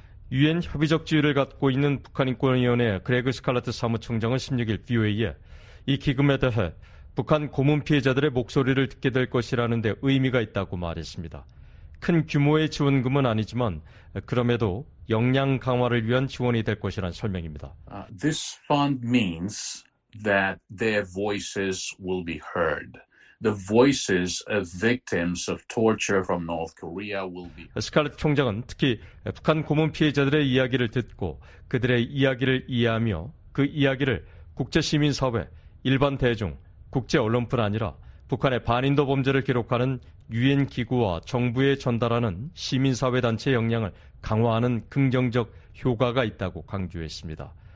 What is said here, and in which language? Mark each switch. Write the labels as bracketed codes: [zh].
[ko] 유엔 협의적 지위를 갖고 있는 북한인권위원회 그레그 스칼라트 사무총장은 16일 VOA에 이 기금에 대해 북한 고문 피해자들의 목소리를 듣게 될 것이라는 데 의미가 있다고 말했습니다. 큰 규모의 지원금은 아니지만 그럼에도 역량 강화를 위한 지원이 될 것이라는 설명입니다. [en] This fund means that their voices will be heard. The voices of victims of torture from North Korea will be heard. [ko] 스칼렛 총장은 특히 북한 고문 피해자들의 이야기를 듣고 그들의 이야기를 이해하며 그 이야기를 국제시민사회, 일반 대중, 국제 언론뿐 아니라 북한의 반인도 범죄를 기록하는 유엔 기구와 정부에 전달하는 시민사회 단체의 역량을 강화하는 긍정적 효과가 있다고 강조했습니다.